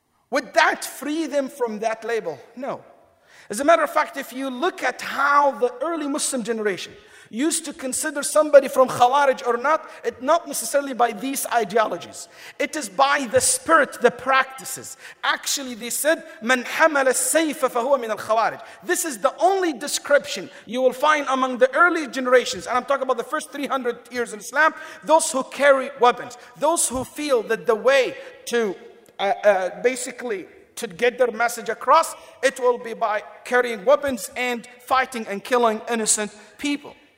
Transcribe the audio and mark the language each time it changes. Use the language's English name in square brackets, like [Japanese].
[English] Would that free them from that label? No. As a matter of fact, if you look at how the early Muslim generation used to consider somebody from Khawarij or not, it's not necessarily by these ideologies. It is by the spirit, the practices. Actually, they said, [Arabic] مَنْ حَمَلَ السَّيْفَ فَهُوَ مِنَ الْخَوَارِجِ. [English] This is the only description you will find among the early generations. And I'm talking about the first 300 years in Islam. Those who carry weapons, those who feel that the way to basically to get their message across, it will be by carrying weapons and fighting and killing innocent people.